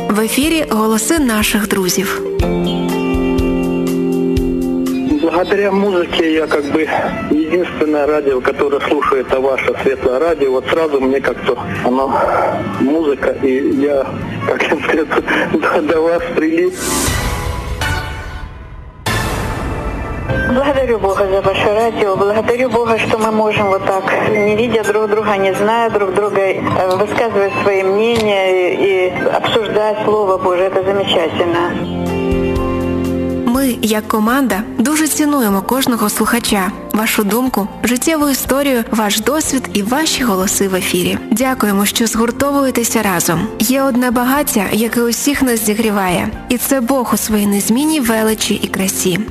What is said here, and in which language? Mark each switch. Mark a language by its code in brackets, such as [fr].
[uk] ефірі голоси наших друзів. [ru] Благодаря музыке я как бы единственное радио, которое слушает, это ваше светлое радио. Вот сразу мне как-то оно, музыка, и я, как я сказал, до вас прилип. Благодарю Бога за ваше радио. Благодарю Бога, что мы можем вот так, не видя друг друга, не зная друг друга, высказывать свои мнения и обсуждать Слово Божие. Это замечательно. [uk] Ми, як команда, дуже цінуємо кожного слухача, вашу думку, життєву історію, ваш досвід і ваші голоси в ефірі. Дякуємо, що згуртовуєтеся разом. Є одне багаття, яке усіх нас зігріває, і це Бог у своїй незмінній величі і красі.